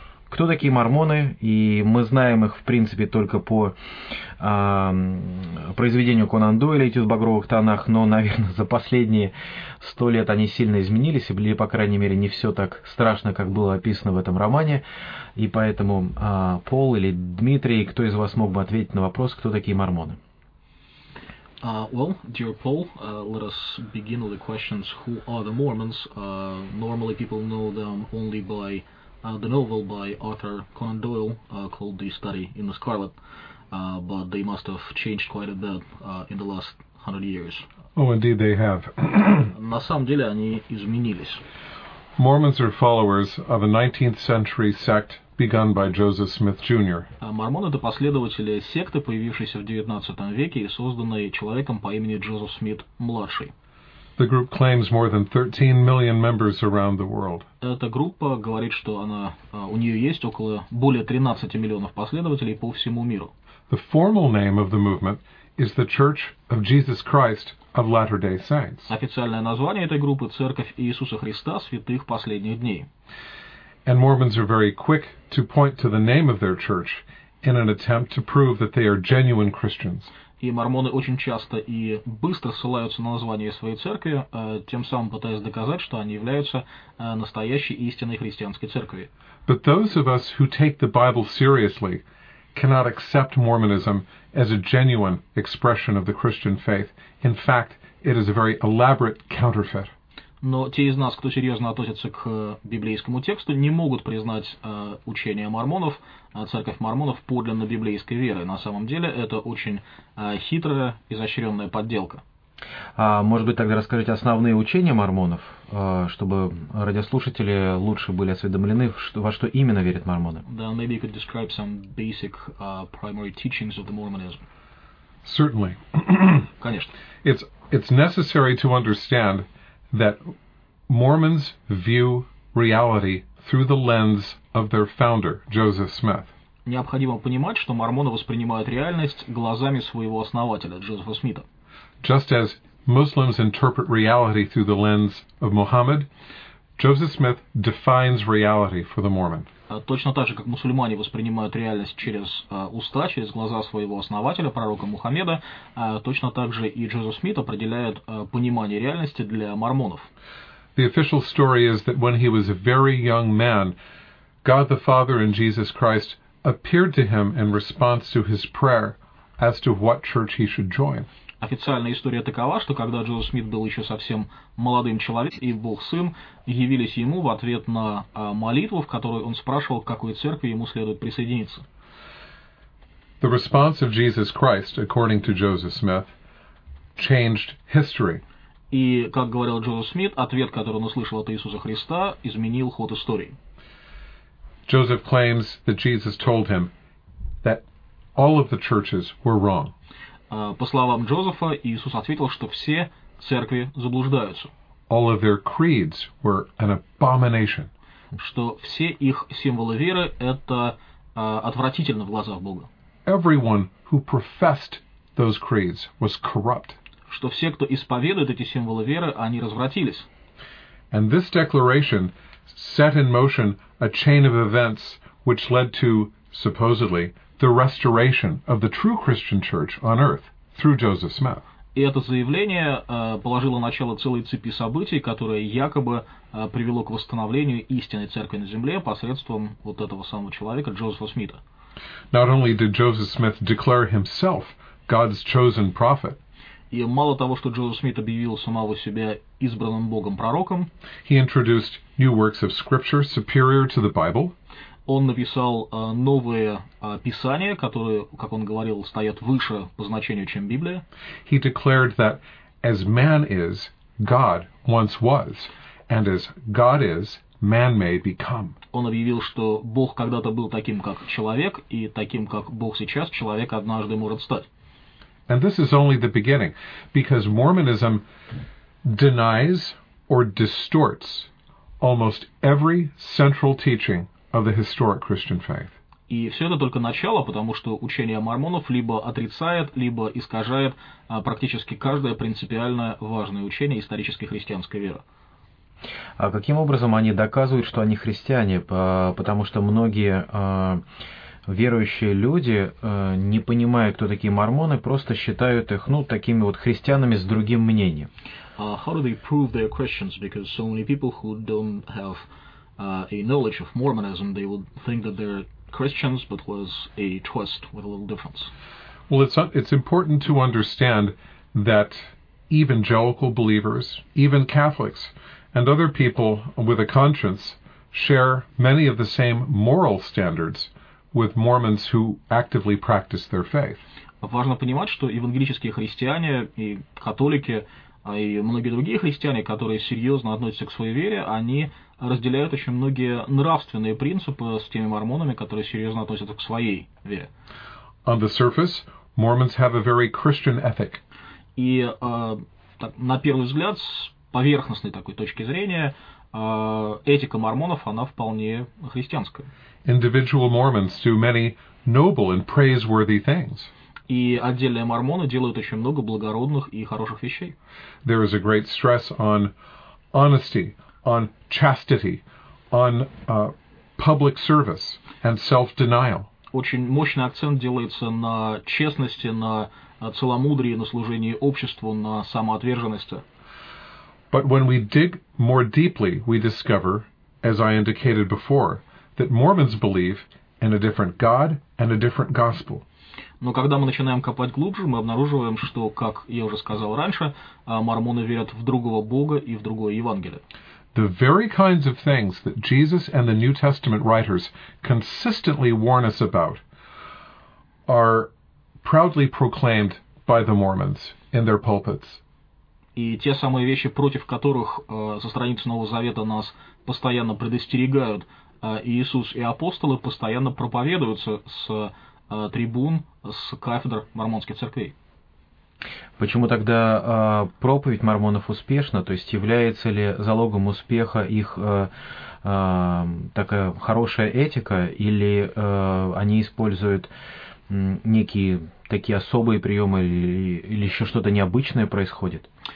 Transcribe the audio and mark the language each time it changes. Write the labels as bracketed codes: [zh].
[ru] Кто такие мормоны? И мы знаем их, в принципе, только по произведению Конан Дойля «Этюд в багровых тонах», но, наверное, за последние 100 лет они сильно изменились, или, по крайней мере, не все так страшно, как было описано в этом романе. И поэтому Пол или Дмитрий, кто из вас мог бы ответить на вопрос, кто такие мормоны? [en] Well, dear Paul, let us begin with the questions. Who are the Mormons? Normally people know them only by the novel by Arthur Conan Doyle called The Study in the Scarlet, but they must have changed quite a bit in the last 100 years. Oh, indeed they have. [ru] На самом деле они изменились. [en] Mormons are followers of a 19th century sect begun by Joseph Smith Jr. [ru] Мормоны — это последователи секты, появившейся в 19 веке и созданной человеком по имени Джозеф Смит младший. [en] The group claims more than 13 million members around the world. [ru] Эта группа говорит, что она у нее есть около более 13 миллионов последователей по всему миру. [en] The formal name of the movement is the Church of Jesus Christ of Latter-day Saints. [ru] Официальное название этой группы — Церковь Иисуса Христа Святых Последних Дней. [en] And Mormons are very quick to point to the name of their church in an attempt to prove that they are genuine Christians. [ru] И мормоны очень часто и быстро ссылаются на название своей церкви, тем самым пытаясь доказать, что они являются настоящей истинной христианской церковью. [en] But those of us who take the Bible seriously cannot accept Mormonism as a genuine expression of the Christian faith. In fact, it is a very elaborate counterfeit. [ru] Но те из нас, кто серьезно относится к библейскому тексту, не могут признать учение мормонов, церковь мормонов, подлинно библейской верой. На самом деле это очень хитрая, изощренная подделка. А может быть, тогда расскажите основные учения мормонов, чтобы радиослушатели лучше были осведомлены, во что именно верят мормоны? Да, [en] maybe you could describe some basic primary teachings of the Mormonism. Certainly. [ru] Конечно. [en] It's necessary to understand that Mormons view reality through the lens of their founder, Joseph Smith. [ru] Необходимо понимать, что мормоны воспринимают реальность глазами своего основателя, Джозефа Смита. [en] Just as Muslims interpret reality through the lens of Muhammad, Joseph Smith defines reality for the Mormon. [ru] Точно так же, как мусульмане воспринимают реальность через уста, через глаза своего основателя, пророка Мухаммеда, точно так же и Джозеф Смит определяет понимание реальности для мормонов. [en] The official story is that when he was a very young man, God the Father and Jesus Christ appeared to him in response to his prayer as to what church he should join. [ru] Официальная история такова, что когда Джозеф Смит был еще совсем молодым человеком, и Бог Сын явились ему в ответ на молитву, в которой он спрашивал, к какой церкви ему следует присоединиться. [en] The response of Jesus Christ, according to Joseph Smith, changed history. [ru] И, как говорил Джозеф Смит, ответ, который он услышал от Иисуса Христа, изменил ход истории. [en] Joseph claims that Jesus told him that all of the churches were wrong. [ru] По словам Джозефа, Иисус ответил, что все церкви заблуждаются. [en] All of their creeds were an abomination. [ru] Что все их символы веры — это отвратительно в глазах Бога. [en] Everyone who professed those creeds was corrupt. [ru] Что все, кто исповедует эти символы веры, они развратились. [en] And this declaration set in motion a chain of events which led to, supposedly, the restoration of the true Christian church on earth through Joseph Smith. [ru] И это заявление положило начало целой цепи событий, которая якобы привело к восстановлению истинной церкви на земле посредством вот этого самого человека, Джозефа Смита. [en] Not only did Joseph Smith declare himself God's chosen prophet, [ru] и мало того, что Джозеф Смит объявил самого себя избранным Богом пророком, [en] he introduced new works of scripture superior to the Bible. [ru] Он написал новые писания, которые, как он говорил, стоят выше по значению, чем Библия. [en] He declared that as man is, God once was, and as God is, man may become. [ru] Он объявил, что Бог когда-то был таким, как человек, и таким, как Бог сейчас, человек однажды может стать. [en] And this is only the beginning, because Mormonism denies or distorts almost every central teaching of the historic Christian faith. [ru] И все это только начало, потому что учение мормонов либо отрицает, либо искажает практически каждое принципиально важное учение исторической христианской веры. А каким образом они доказывают, что они христиане? Потому что многие верующие люди, не понимая, кто такие мормоны, просто считают их, ну, такими вот христианами с другим мнением. [en] How do they prove they're Christians? Because so many people who don't have a knowledge of Mormonism, they would think that they're Christians, but was a twist with a little difference. Well, it's important to understand that evangelical believers, even Catholics, and other people with a conscience share many of the same moral standards with Mormons who actively practice their faith. [ru] Важно понимать, что евангелические христиане и католики, и многие другие христиане, которые серьезно относятся к своей вере, они разделяют очень многие нравственные принципы с теми мормонами, которые серьезно относятся к своей вере. [en] On the surface, Mormons have a very Christian ethic. [ru] И так, на первый взгляд, поверхностной такой точки зрения, этика мормонов, она вполне христианская. [en] Individual Mormons do many noble and praiseworthy things. [ru] И отдельные мормоны делают очень много благородных и хороших вещей. [en] There is a great stress on honesty, on chastity, on public service and self-denial. [ru] Очень мощный акцент делается на честности, на целомудрии, на служении обществу, на самоотверженности. [en] But when we dig more deeply, we discover, as I indicated before, that Mormons believe in a different God and a different gospel. [ru] Но когда мы начинаем копать глубже, мы обнаруживаем, что, как я уже сказал раньше, мормоны верят в другого Бога и в другое Евангелие. [en] The very kinds of things that Jesus and the New Testament writers consistently warn us about are proudly proclaimed by the Mormons in their pulpits. [ru] И те самые вещи, против которых со страниц Нового Завета нас постоянно предостерегают Иисус и апостолы, постоянно проповедуются с трибун, с кафедр мормонских церквей. Почему тогда проповедь мормонов успешна? То есть является ли залогом успеха их такая хорошая этика, или они используют некие такие особые приемы, или еще что-то необычное происходит?